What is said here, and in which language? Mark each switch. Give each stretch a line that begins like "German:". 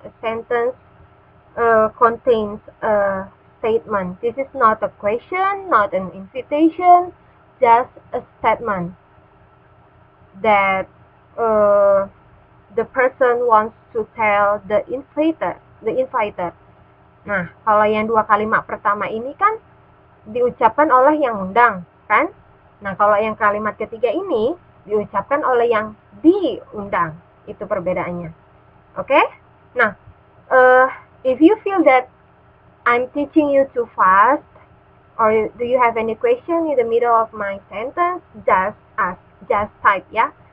English: A sentence contains a statement. This is not a question, not an invitation, just a statement that the person wants to tell the inviter.
Indonesian: Nah, kalau yang dua kalimat pertama ini kan diucapkan oleh yang undang, kan? Nah, kalau yang kalimat ketiga ini diucapkan oleh yang diundang. Itu perbedaannya. Oke? Okay?
English: Nah, if you feel that I'm teaching you too fast, or do you have any question in the middle of my sentence, just ask, just type, ya.